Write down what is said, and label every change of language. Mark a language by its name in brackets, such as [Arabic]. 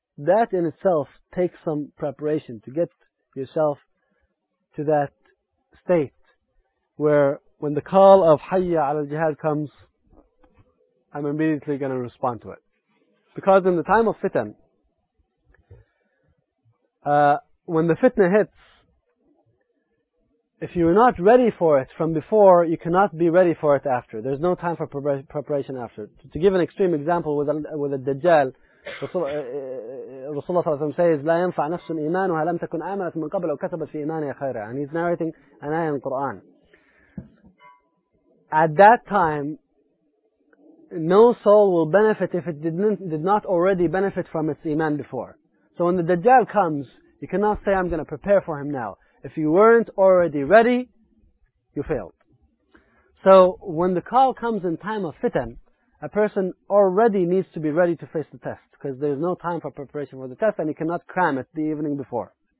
[English] That in itself takes some preparation to get yourself to that state where when the call of [Arabic] Hayya ala al-Jihad [English] comes, I'm immediately going to respond to it. Because in the time of fitan, when the fitna hits, if you're not ready for it from before, you cannot be ready for it after. There's no time for preparation after. To give an extreme example with a Dajjal, Rasulullah says, [Arabic] لا ينفع نفس الإيمان ولم تكن آمنت من قبل أو كتبت في إيمانها خيرا. [English] And he's narrating an ayah in Quran. At that time, no soul will benefit if it did not already benefit from its iman before. So when the Dajjal comes, you cannot say, I'm going to prepare for him now. If you weren't already ready, you failed. So when the call comes in time of fitan, a person already needs to be ready to face the test, because there's no time for preparation for the test and he cannot cram it the evening before.